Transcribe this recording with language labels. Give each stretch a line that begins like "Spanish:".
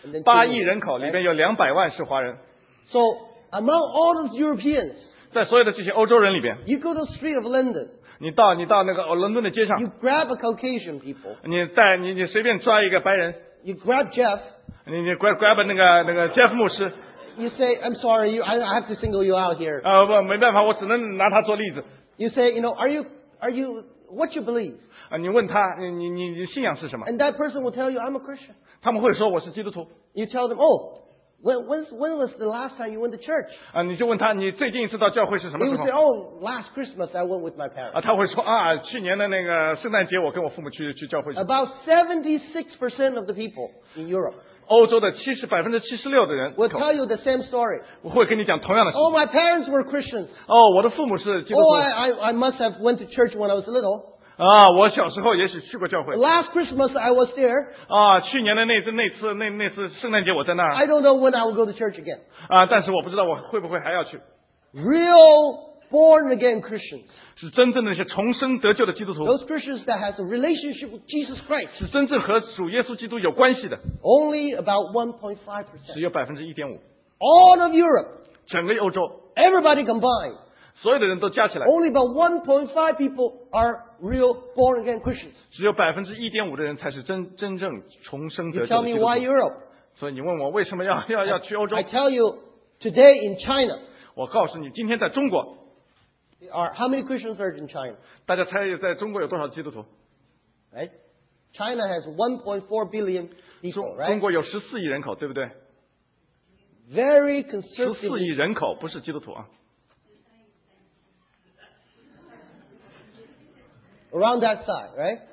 Chinese: 八亿人口里面有200万是华人。
English: So among all those Europeans,
Chinese: 在所有的这些欧洲人里边
English: ，you go to the street of London.
Chinese: 你到那个伦敦的街上
English: ，you grab a Caucasian people.
Chinese: 你随便抓一个白人
English: ，you grab Jeff.
Chinese: 你 grab 那个 Jeff 牧师。
English: You say, I'm sorry, I have to single you out here.
Chinese: 不，没办法，我只能拿他做例子。
English: You say, you know, are you what you believe?
Chinese: 你问他，你信仰是什么
English: ？And that person will tell you, I'm a Christian.
Chinese: 他们会说我是基督徒。
English: You tell them, oh, when was the last time you went to church?
Chinese: 你就问他，你最近一次到教会是什么时候
English: ？He will say, oh, last Christmas I went with my parents.
Chinese: 他会说啊，去年的那个圣诞节我跟我父母去教会。
English: About 76% of the people in Europe.
Chinese: 欧洲的76%的人
English: will tell you the same story.
Chinese: 我会跟你讲同样的事。
English: Oh, my parents were Christians.
Chinese: 哦，我的父母是基督徒。
English: Oh, I must have went to church when I was little.
Chinese: 啊，我小时候也许去过教会。
English: Last Christmas I was there.
Chinese: 啊，去年的那次圣诞节我在那儿。
English: I don't know when I will go to church again.
Chinese: 啊，但是我不知道我会不会还要去。
English: Real born again Christians.
Chinese: 是真正的那些重生得救的基督徒。
English: Those Christians that has a relationship with Jesus Christ.
Chinese: 是真正和主耶稣基督有关系的。
English: Only about 1.5%.
Chinese: 只有1.5%。
English: All of Europe.
Chinese: 整个欧洲。
English: Everybody combined.
Chinese: 所有的人都加起来。
English: Only about 1.5 people are real born again Christians.
Chinese: 只有1.5%的人才是真正重生得救的基督徒。
English: You tell me why Europe?
Chinese: 所以你问我为什么要去欧洲
English: ？I tell you, today in China.
Chinese: 我告诉你，今天在中国。
English: How many Christians are in China?
Chinese: 大家猜在中国有多少基督徒
English: ？Right, China has 1.4 billion people.
Chinese: 中国有14亿人口，对不对
English: ？Very conservative.
Chinese: 14亿人口不是基督徒啊。
English: Around that side, right?